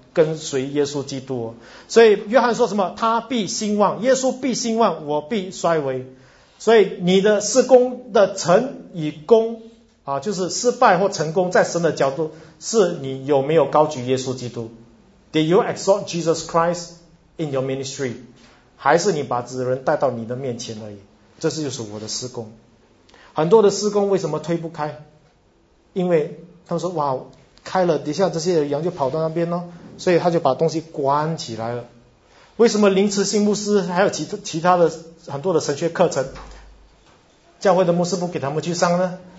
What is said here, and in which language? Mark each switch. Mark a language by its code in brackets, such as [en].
[zh] 跟随耶稣基督。所以约翰说什么？他必兴旺，耶稣必兴旺，我必衰微。所以你的事工的成与功啊，就是失败或成功，在神的角度是你有没有高举耶稣基督。 [en] Do you exalt Jesus Christ in your ministry? [zh] 还是你把子人带到你的面前而已？这是就是我的事工。很多的事工为什么推不开？因为他们说，哇，开了，底下这些羊就跑到那边了，所以他就把东西关起来了。为什么林慈信牧师还有其他的很多的神学课程，教会的牧师不给他们去上呢？